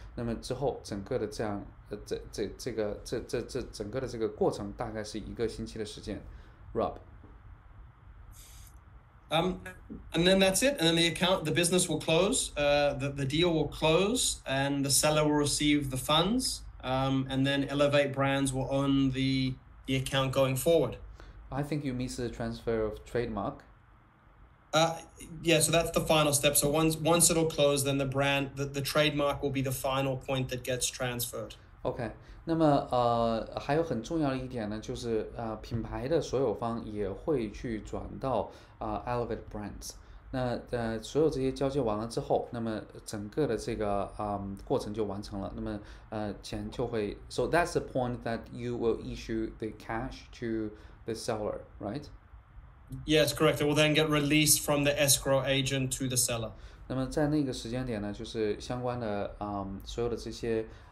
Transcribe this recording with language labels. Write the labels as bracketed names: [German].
[Chinese] 那么之后整个的这样整个的这个过程大概是一个星期的时间。 [English] Rob. And then that's it, and then the business will close, the deal will close, and the seller will receive the funds, and then Elevate Brands will own the account going forward. I think you missed the transfer of trademark. Yeah, so that's the final step. So once it'll close, then the trademark will be the final point that gets transferred. [Chinese] Okay. 那么还有很重要的一点呢，就是品牌的所有方也会去转到Elevate Brands。那所有这些交接完了之后，那么整个的这个过程就完成了。那么钱就会 [English] ，so that's the point that you will issue the cash to the seller, right? Yes, correct. It will then get released from the escrow agent to the seller. [Chinese] 那么在那个时间点呢，就是相关的所有的这些